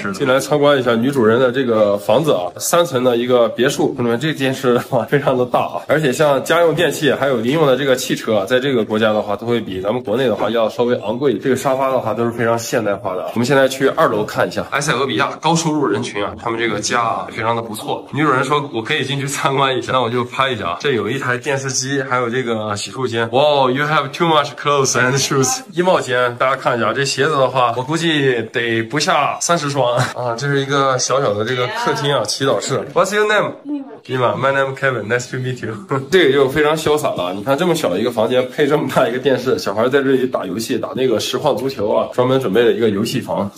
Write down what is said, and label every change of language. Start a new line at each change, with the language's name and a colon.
Chinese: 进来参观一下女主人的这个房子啊，3层的一个别墅，同学们，这件事非常的大啊，而且像家用电器还有零用的这个汽车啊，在这个国家的话都会比咱们国内的话要稍微昂贵。这个沙发的话都是非常现代化的。我们现在去2楼看一下，埃塞俄比亚高收入人群啊，他们这个家啊非常的不错。女主人说我可以进去参观一下，那我就拍一下啊。这有一台电视机，还有这个洗漱间。哇、
English: wow, ，You have too much clothes and shoes。
Chinese: 衣帽间，大家看一下这鞋子的话，我估计得不下30双。啊，这是一个小小的这个客厅啊，祈祷室。
English: What's your name? Ima, my name is Kevin. Nice to meet you.
Chinese: 这个就非常潇洒了。你看这么小一个房间配这么大一个电视，小孩在这里打游戏，打那个实况足球啊，专门准备了一个游戏房。